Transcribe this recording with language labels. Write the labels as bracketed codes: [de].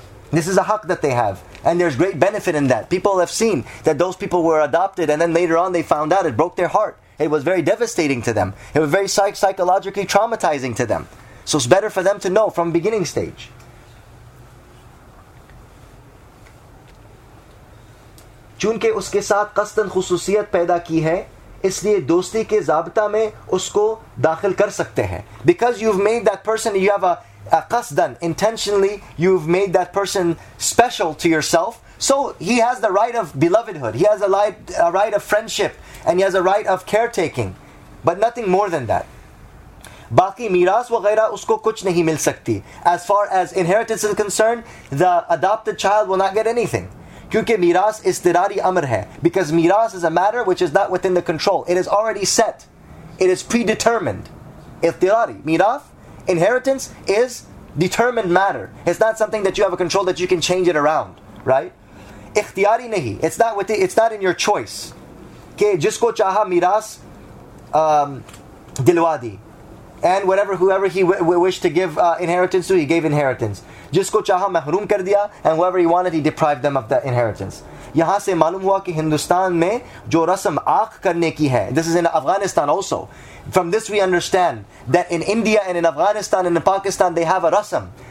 [en] This is a haq that they have. And there's great benefit in that. People have seen that those people were adopted and then later on they found out it broke their heart. It was very devastating to them. It was very psychologically traumatizing to them. So it's better for them to know from beginning stage. [ur] چونکہ اس کے ساتھ قصدن خصوصیت پیدا کی ہے اس لیے دوستی کے ضابطہ میں اس کو داخل کر سکتے ہیں. [en] Because you've made that person, you have a qasdan, intentionally you've made that person special to yourself, so he has the right of belovedhood, he has a right of friendship, and he has a right of caretaking, but nothing more than that. [ur] باقی میراث وغیرہ اس کو کچھ نہیں مل سکتی. [en] As far as inheritance is concerned, the adopted child will not get anything. [ur] کیونکہ میراث استراری امر ہے. [en] Because میراث is a matter which is not within the control. It is already set. It is predetermined. استراری, میراث, inheritance is determined matter. It's not something that you have a control that you can change it around. [ur] Right? اختیاری نہیں. [en] It's not within, it's not in your choice. [ur] کہ جس کو چاہا میراث دلوا دی. [en] And whatever, whoever he wished to give inheritance to, he gave inheritance. [ur] جس کو چاہا محروم کر دیا, [en] and whoever he wanted, he deprived them of the inheritance. [ur] یہاں سے معلوم ہوا کہ ہندوستان میں جو رسم عاق کرنے کی ہے, [en] this is in Afghanistan also. From this we understand that in India and in Afghanistan and in Pakistan, they have a rasm.